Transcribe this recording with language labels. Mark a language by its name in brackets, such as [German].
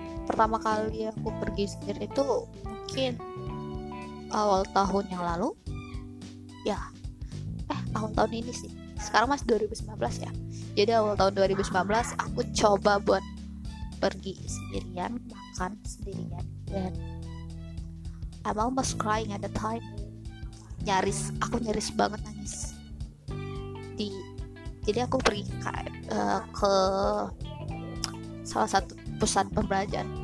[Indonesian] Pertama kali aku pergi sendiri itu mungkin awal tahun yang lalu. Ya, tahun-tahun ini sih. Sekarang masih 2019 ya. Jadi awal tahun 2019 aku coba buat pergi sendirian, makan sendirian. Dan [English] I'm almost crying at the time. [Indonesian] Aku nyaris banget nangis. Jadi aku pergi ke salah satu pusat perbelanjaan.